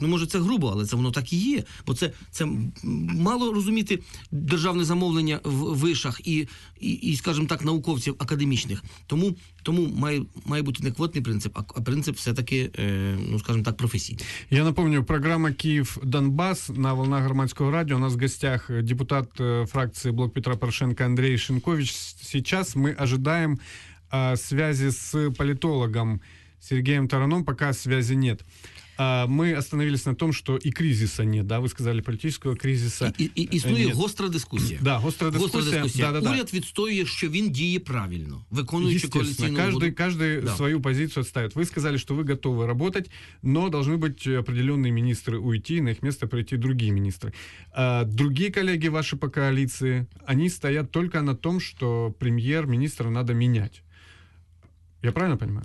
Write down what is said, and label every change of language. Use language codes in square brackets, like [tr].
[uk] Ну, може, це грубо, але це воно так і є. Бо це мало розуміти державне замовлення в вишах і скажімо так, науковців академічних. Тому має бути не квотний принцип, а принцип все-таки, ну, скажімо так, професійний. Я напомню, програма «Київ-Донбас» на «Волна громадського радіо». У нас в гостях депутат фракції «Блок Петра Порошенка» Андрій Шинкович. [ru] Сейчас ми ожидаємо связи з політологом Сергеем Тараном, пока связи нет. Мы остановились на том, что и кризиса нет, да, вы сказали, политического кризиса [uk] Існує гостра дискуссия. Да, гостра дискуссия. [ru] Да. [uk] Уряд відстоює, що він діє правильно, виконуючи коаліційну угоду. [ru] Каждый свою позицию отставит. Вы сказали, что вы готовы работать, но должны быть определенные министры уйти, на их место прийти другие министры. Другие коллеги ваши по коалиции, они стоят только на том, что премьер-министра надо менять. Я правильно понимаю?